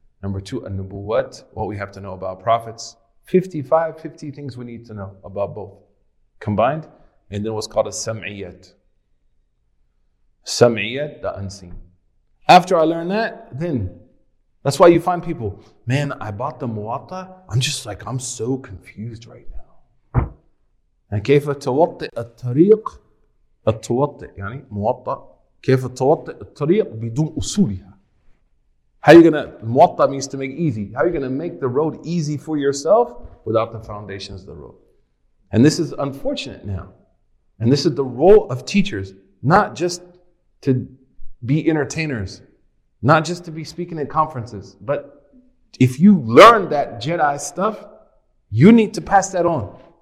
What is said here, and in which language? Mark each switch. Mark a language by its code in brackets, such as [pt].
[en] Number two, an-nubuwat, what we have to know about prophets. 50 things we need to know about both combined. And then what's called a sam'iyat. Sam'iyat, the unseen. After I learn that, then that's why you find people, man, I bought the Muwatta. I'm just like, I'm so confused right now. [ar] And كيف توطئ الطريق التوطئ يعني Muwatta. كيف توطئ الطريق بدون أصولها. [en] How are you gonna, Muwatta means to make easy. How are you gonna make the road easy for yourself without the foundations of the road? And this is unfortunate now. And this is the role of teachers, not just to be entertainers, not just to be speaking at conferences, but if you learn that Jedi stuff, you need to pass that on.